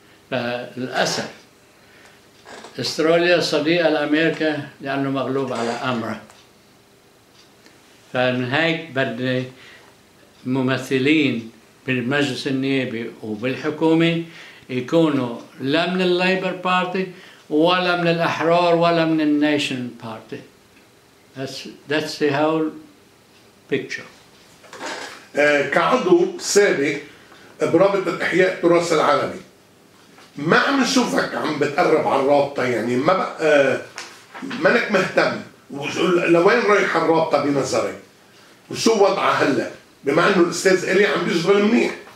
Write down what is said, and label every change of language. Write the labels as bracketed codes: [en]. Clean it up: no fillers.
[ar] فالأسف أستراليا صديقة لأمريكا لأنه مغلوب على أمره. فمن هيك بدنا ممثلين بالمجلس النيابي وبالحكومة يكونوا لا من الليبر بارتي ولا من الأحرار ولا من الناشن بارتي. [en] That's the whole picture. [ar] كعضو سابق برابطة إحياء التراث العربي، ما عم نشوفك عم بتقرب على الرابطة، يعني ما بقى منك مهتم، لوين رايح الرابطة بنظري وشو وضعها هلأ بما أنه الأستاذ إلي عم بيشغل منيح؟